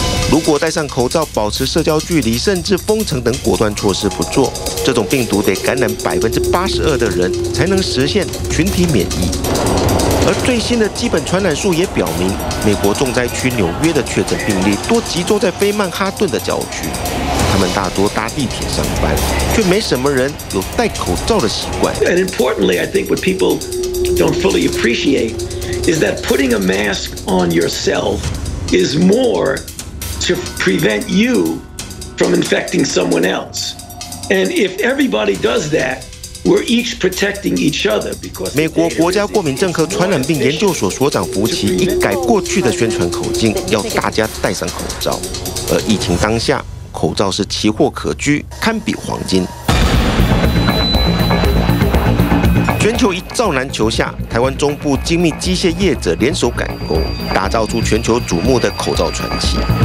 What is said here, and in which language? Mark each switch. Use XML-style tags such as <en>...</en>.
<zh>如果戴上口罩、保持社交距离，甚至封城等果断措施不做，这种病毒得感染82%的人才能实现群体免疫。而最新的基本传染数也表明，美国重灾区纽约的确诊病例多集中在非曼哈顿的郊区，他们大多搭地铁上班，却没什么人有戴口罩的习惯。</zh> <en>And importantly, I think what people don't fully appreciate is that putting a mask on yourself is more to prevent you from infecting someone else. And if everybody does that, we're each protecting each other.</en> <zh>美国国家过敏症和传染病研究所所长福奇一改过去的宣传口径，要大家戴上口罩。而疫情当下，口罩是奇货可居，堪比黄金。全球一罩难求下，台湾中部精密机械业者联手赶工，打造出全球瞩目的口罩传奇。</zh>